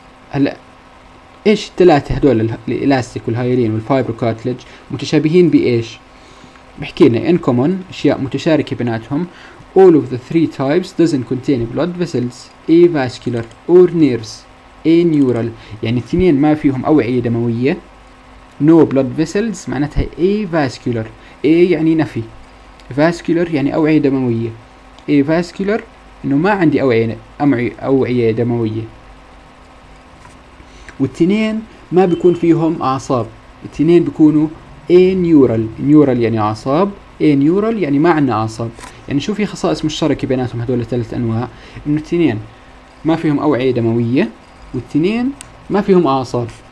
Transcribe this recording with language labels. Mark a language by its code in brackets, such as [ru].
[ar] هلا ايش الثلاثه هذول الالاستيك والهايلين والفايبرو كارتلج متشابهين بايش؟ بحكي لنا ان كومون، اشياء متشاركه بيناتهم. [en] all of the three types doesn't contain blood vessels a vascular or nerves a neural، [ar] يعني اثنين ما فيهم اوعيه دمويه. [en] no blood vessels [ar] معناتها [en] a vascular، a [ar] يعني نفي، [en] vascular [ar] يعني اوعيه دمويه. a vascular انه ما عندي اوعيه دمويه. والتنين ما بيكون فيهم اعصاب، التنين بيكونوا انيورال، نيورال يعني اعصاب، انيورال يعني ما عندنا اعصاب. يعني شو في خصائص مشتركه بيناتهم هذول الثلاث انواع؟ انه التنين ما فيهم اوعيه دمويه، والتنين ما فيهم اعصاب.